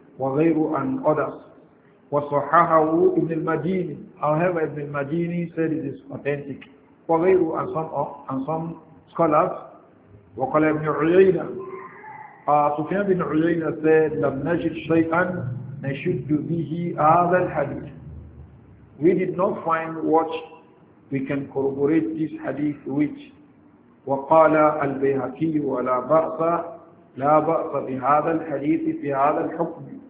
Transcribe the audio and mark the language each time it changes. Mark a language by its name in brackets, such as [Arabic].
[Arabic] وغيره [English] and others. [Arabic] وصححه ابن المديني. [English] However, ابن المديني said it is authentic. [Arabic] وغيره [English] and some scholars. [Arabic] وقال ابن عيينة. سفيان بن عيينة said لم نجد شيئا نشد به هذا الحديث. [English] We did not find what we can corroborate this hadith with. [Arabic] وقال البيهقي ولا بأس لا بأس بهذا الحديث في هذا الحكم.